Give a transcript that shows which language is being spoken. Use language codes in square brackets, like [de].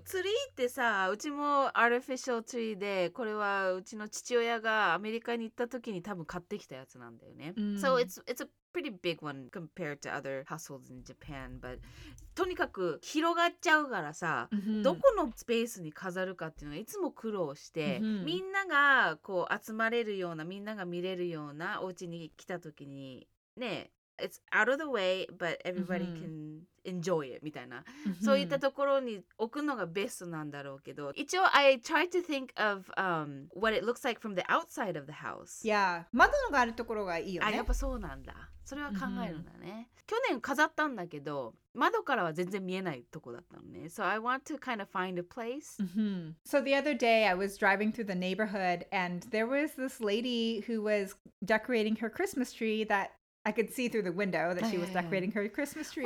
[ja] ツリーってさ、うちもアルフィシャルツリーで、これはうちの父親がアメリカに行った時に多分買ってきたやつなんだよね。 [en] So it's a pretty big one compared to other households in Japan, but... [ja] とにかく広がっちゃうからさ、どこのスペースに飾るかっていうのがいつも苦労して、みんながこう集まれるような、みんなが見れるようなお家に来た時にね、 [en] It's out of the way, but everybody can enjoy it, [ja] みたいな。そういったところに置くのがベストなんだろうけど、一応 [en] I tried to think of what it looks like from the outside of the house. [ja] Yeah, 窓のがあるところがいいよね。あ、やっぱそうなんだ。それは考えるんだね。去年飾ったんだけど、窓からは全然見えないとこだったのね。 [en] So I want to kind of find a place. So the other day I was driving through the neighborhood and there was this lady who was decorating her Christmas tree that I could see through the window that she was decorating her Christmas tree.